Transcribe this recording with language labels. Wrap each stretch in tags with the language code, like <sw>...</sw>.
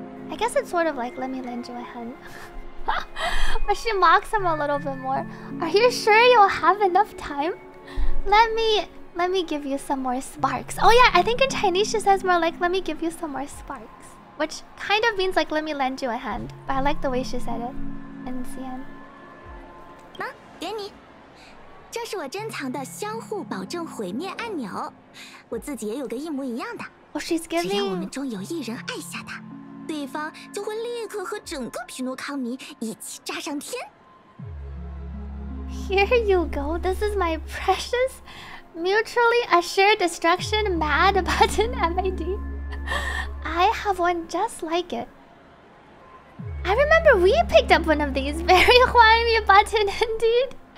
<en>I guess it's sort of like, let me lend you a hand. But she mocks him a little bit more. Are you sure you'll have enough time? Let me give you some more sparks. Oh yeah, I think in Chinese she says more like, let me give you some more sparks. Which kind of means like, let me lend you a hand. But I like the way she said it in CN.</en> <zh>妈，给你。这是我珍藏的相互保证毁灭按钮。我自己也有个一模一样的。只要我们中有一人按下它，对方就会立刻和整个匹诺康尼一起炸上天。</zh> <en>Here you go. This is my precious, mutually assured destruction mad button MAD. I have one just like it. I remember we picked up one of these very whiny button indeed.</en>